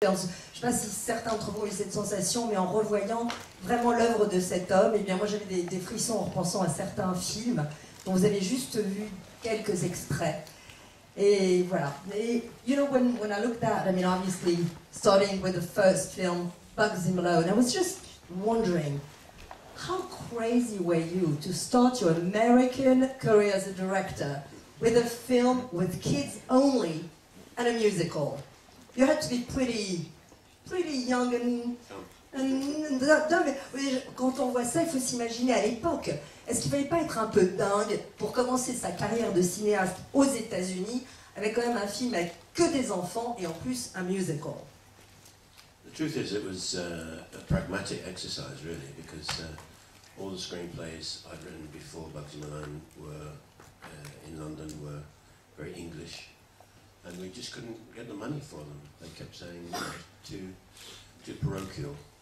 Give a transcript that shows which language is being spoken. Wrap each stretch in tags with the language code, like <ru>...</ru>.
<fr>Je ne sais pas si certains d'entre vous ont eu cette sensation, mais en revoyant vraiment l'œuvre de cet homme, eh bien moi j'avais des frissons en repensant à certains films dont vous avez juste vu quelques extraits. Et voilà.</fr> <en>Et, you know, when I looked at, I mean, obviously, starting with the first film, Bugsy Malone, I was just wondering, how crazy were you to start your American career as a director with a film with kids only and a musical? You had to be pretty young and dumb.</en> <fr>Mais quand on voit ça, il faut s'imaginer à l'époque. Est-ce qu'il ne fallait pas être un peu dingue pour commencer sa carrière de cinéaste aux États-Unis avec quand même un film avec que des enfants et en plus un musical?</fr> <en>The truth is, it was a pragmatic exercise, really, because all the screenplays I'd written before Bugsy Malone were in London were very English. And we just couldn't get the money for them. They kept saying, too parochial.</en>